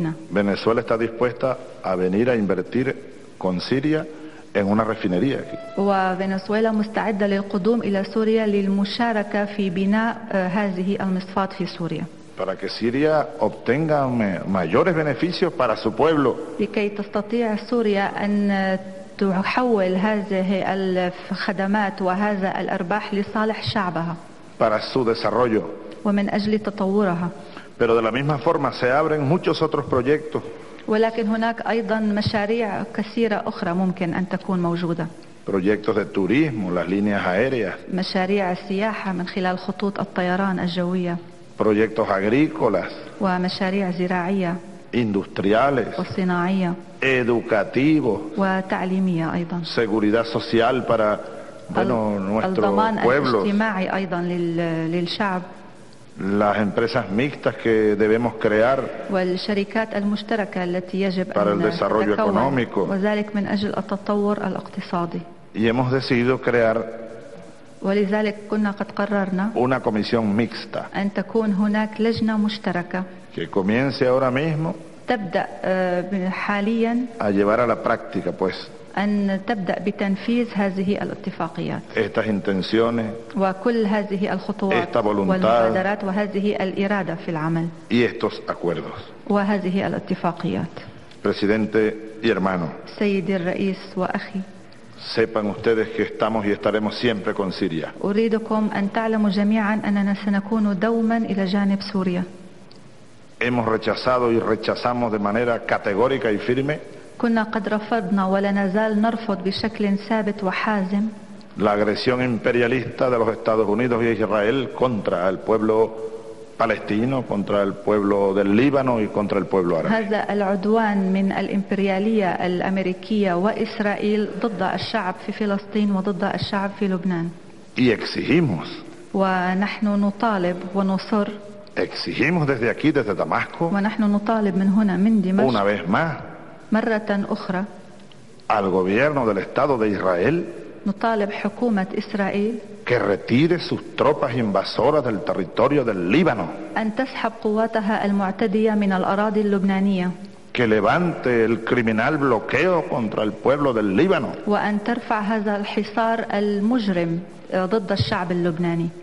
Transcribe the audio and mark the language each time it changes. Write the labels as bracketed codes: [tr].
[es] Venezuela está dispuesta a venir a invertir con Siria en una refinería aquí. [ar] وفنزويلا مستعدة للقدوم إلى سوريا للمشاركة في بناء هذه المصفات في سوريا. [es] Para que Siria obtenga mayores beneficios para su pueblo. [ar] لكي تستطيع سوريا أن تحول هذه الخدمات وهذا الأرباح لصالح شعبها. [es] Para su desarrollo. [ar] ومن أجل تطورها. [es] Pero de la misma forma se abren muchos otros proyectos. [ar] ولكن هناك أيضا مشاريع كثيرة أخرى ممكن أن تكون موجودة. [es] Proyectos de turismo, las líneas aéreas. [ar] مشاريع السياحة من خلال خطوط الطيران الجوية. [es] Proyectos agrícolas. [ar] ومشاريع زراعية. [es] Industriales. [ar] وصناعية. [es] Educativos. [ar] وتعليمية أيضا. [es] Seguridad social para nuestros pueblos. [ar] الضمان الاجتماعي أيضا للشعب. [es] Las empresas mixtas que debemos crear [ar] والشركات المشتركة التي يجب [es] para [ar] أن [es] el desarrollo [ar] تكون [es] económico. [ar] وذلك من أجل التطور الاقتصادي. [es] Y hemos decidido crear [ar] ولذلك كنا قد قررنا [es] una comisión mixta [ar] أن تكون هناك لجنة مشتركة [es] que comience ahora mismo [ar] تبدأ حاليا [es] a llevar a la práctica pues [ar] أن تبدأ بتنفيذ هذه الاتفاقيات [es] estas intenciones [ar] وكل هذه الخطوات [es] esta voluntad [ar] والمبادرات وهذه الإرادة في العمل [es] y estos acuerdos [ar] وهذه الاتفاقيات [es] Presidente y hermano [ar] سيدي الرئيس وأخي [es] sepan ustedes que estamos y estaremos siempre con Siria [ar] أريدكم أن تعلموا جميعا أننا سنكون دوما إلى جانب سوريا [es] hemos rechazado y rechazamos de manera categórica y firme [ar] كنا قد رفضنا ولا نزال نرفض بشكل ثابت وحازم [es] la agresión imperialista de los Estados Unidos y Israel contra el pueblo palestino contra el pueblo del Líbano y contra el pueblo árabe [ar] هذا العدوان من الإمبريالية الأمريكية وإسرائيل ضد الشعب في فلسطين وضد الشعب في لبنان [es] y exigimos [ar] ونحن نطالب ونصر [es] exigimos desde aquí desde Damasco [ar] ونحن نطالب من هنا من دمشق [es] una vez más [ar] مرة أخرى [es] al gobierno del Estado de Israel [ar] نطالب حكومة إسرائيل [es] que retire sus tropas invasoras del territorio del Líbano [ar] أن تسحب قواتها المعتدية من الأراضي اللبنانية [es] que levante el criminal bloqueo contra el pueblo del Líbano [ar] وأن ترفع هذا الحصار المجرم ضد الشعب اللبناني